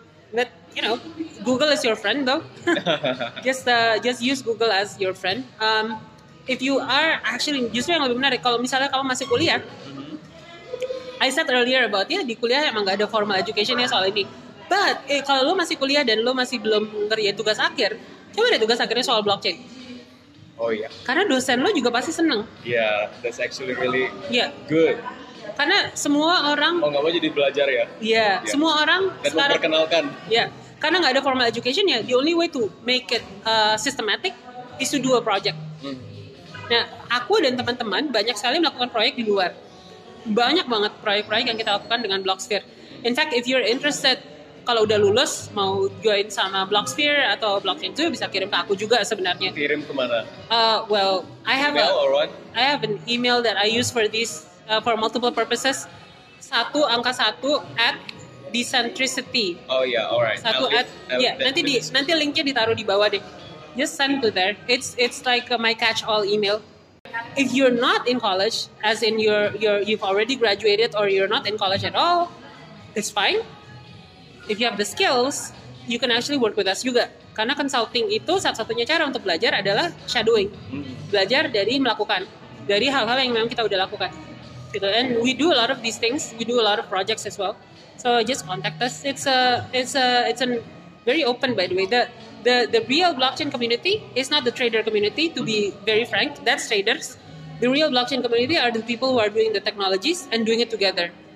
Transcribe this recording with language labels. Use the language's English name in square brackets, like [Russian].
[English] But you know, Google is your friend, though. just use Google as your friend. If you are actually, [Indonesian] justru yang lebih menarik, kalau misalnya kamu masih kuliah, mm-hmm. [English] I said earlier about [Indonesian] ya, di kuliah emang gak ada formal education ya soal ini. [English] But [Indonesian] kalau lo masih kuliah dan lo masih belum ngerjain tugas akhir, coba deh tugas akhirnya soal blockchain. Oh iya. Karena dosen lo juga pasti seneng. [English] Yeah, that's actually really yeah. good. [Indonesian] Karena semua orang. Oh nggak mau jadi belajar ya? Iya. [English] Yeah, [Indonesian] yeah. Semua orang dan sekarang. Memperkenalkan. Iya. Yeah. Karena nggak ada formal education ya, [English] the only way to make it systematic is to do a project. Mm. [Indonesian] Nah, aku dan teman-teman banyak sekali melakukan proyek di luar. Banyak banget proyek-proyek yang kita lakukan dengan Blocksphere. [English] In fact, if you're interested, [Indonesian] kalau udah lulus, mau join sama Blocksphere atau Blockchain 2, bisa kirim ke aku juga sebenarnya. Kirim kemana? [English] Well, I have I have an email that I use for this for multiple purposes. 1@decentricity Oh yeah, alright. [Indonesian] Nanti linknya ditaruh di bawah deh. [English] Just send to there. It's like my catch-all email. If you're not in college, as in you've already graduated or you're not in college at all, it's fine. If you have the skills, you can actually work with us [Indonesian] juga. Karena consulting itu satu-satunya cara untuk belajar adalah shadowing. Belajar dari melakukan. Dari hal-hal yang memang kita udah lakukan. Gitu. [English] And we do a lot of these things. We do a lot of projects as well. So just contact us. It's a very open, by the way. The real blockchain community is not the trader community, to be very frank. That's traders. The real blockchain community are the people who are doing the technologies and doing it together.